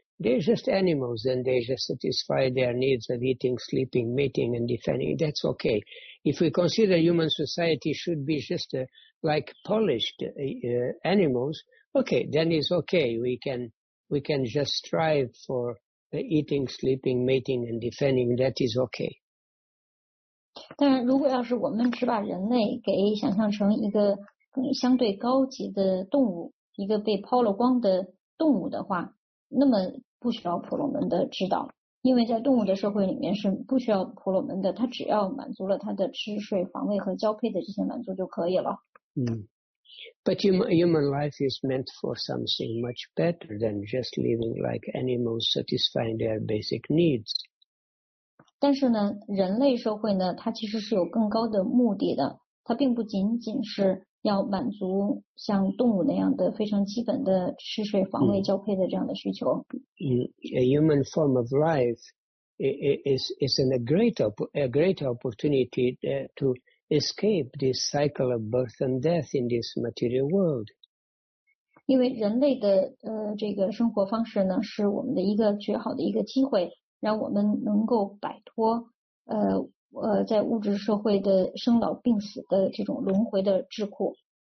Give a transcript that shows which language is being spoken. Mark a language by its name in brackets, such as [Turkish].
[English] They're just animals and they just satisfy their needs of eating, sleeping, mating, and defending. That's okay. If we consider human society should be just like polished animals, okay, then it's okay. We can just strive for eating, sleeping, mating, and defending. That is okay. [Chinese] 但如果要是我们只把人类给想象成一个相对高级的动物，一个被抛了光的动物的话，那么不需要婆罗门的指导，因为在动物的社会里面是不需要婆罗门的，它只要满足了它的吃睡房位和交配的这些满足就可以了。嗯， [English] But human life is meant for something much better than just living like animals, satisfying their basic needs. [Chinese] 但是呢，人类社会呢，它其实是有更高的目的的。它并不仅仅是要满足像动物那样的非常基本的吃睡防卫交配的这样的需求。 [English] A human form of life is a great opportunity to escape this cycle of birth and death in this material world. [Chinese] 因为人类的这个生活方式呢，是我们的一个绝好的一个机会，让我们能够摆脱在物质社会的生老病死的这种轮回的桎梏。